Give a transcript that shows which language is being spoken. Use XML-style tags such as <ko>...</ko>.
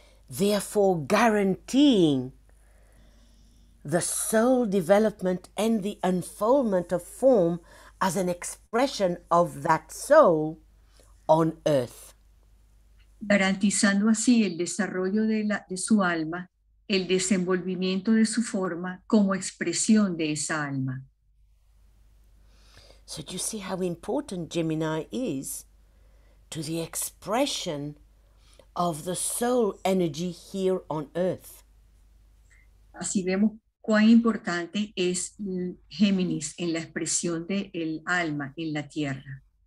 <en>Therefore, guaranteeing the soul development and the unfoldment of form as an expression of that soul on Earth.</en> <es>Garantizando así el desarrollo de su alma, el desenvolvimiento de su forma como expresión de esa alma.</es> <en>So do you see how important Gemini is to the expression of the soul energy here on Earth?</en> <es>Así vemos cuán importante es Géminis en la expresión de el alma en la Tierra.</es>